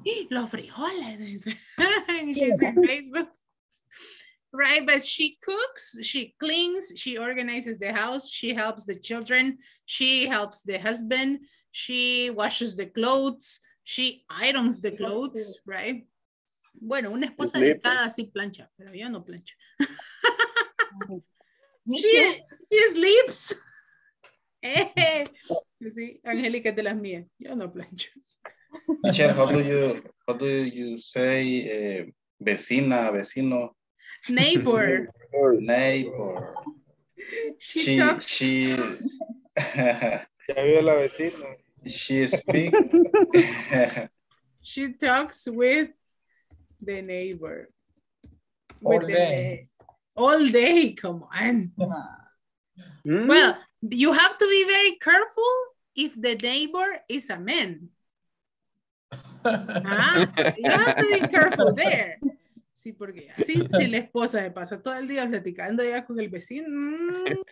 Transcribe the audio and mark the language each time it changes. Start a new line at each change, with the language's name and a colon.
Spanish: Los frijoles.
English: She's in Facebook. Right, but she cooks, she cleans, she organizes the house, she helps the children, she helps the husband, she washes the clothes, she irons the clothes, right?
Spanish: Bueno, una esposa dedicada sí plancha, pero yo no plancho.
English: She sleeps.
Spanish: You see, Angelica de las mías, yo no plancho.
English: Michelle, how do you say vecina, vecino? Neighbor. Neighbor. She talks with the neighbor. All day. Come on. Well, you have to be very careful if the neighbor is a man. You have to be careful there.
Spanish: Sí, porque así si la esposa se pasa todo el día platicando ya con el vecino.